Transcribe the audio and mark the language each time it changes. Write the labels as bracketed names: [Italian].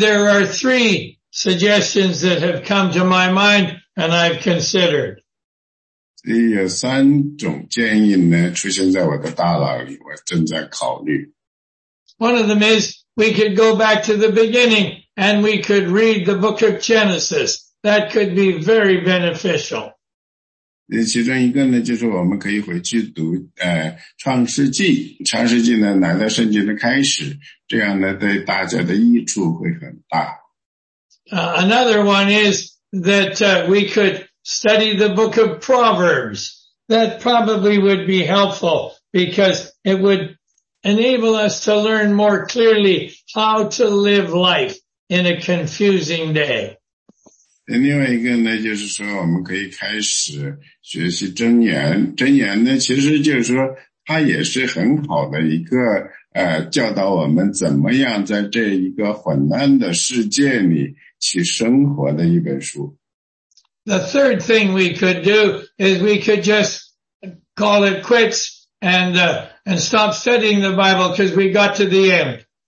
[English] there are three suggestions that have come to my mind and I've considered. [Chinese] 有三种建议呢,出现在我的大脑里,我正在考虑。 [English] One of them is, we could go back to the beginning, and we could read the book of Genesis. That could be very beneficial. [Chinese] 其中一个呢,就是我们可以回去读,创世纪,创世纪呢,乃到圣经的开始,这样呢,对大家的益处会很大。 [English] Another one is that we could study the book of Proverbs. That probably would be helpful because it would enable us to learn more clearly how to live life in a confusing day. [Chinese] 另外一个呢，就是说我们可以开始学习真言。真言呢，其实就是说，它也是很好的一个教导我们怎么样在这一个混乱的世界里去生活的一本书。 [English] The third thing we could do is we could just call it quits and stop studying the Bible because we got to the end.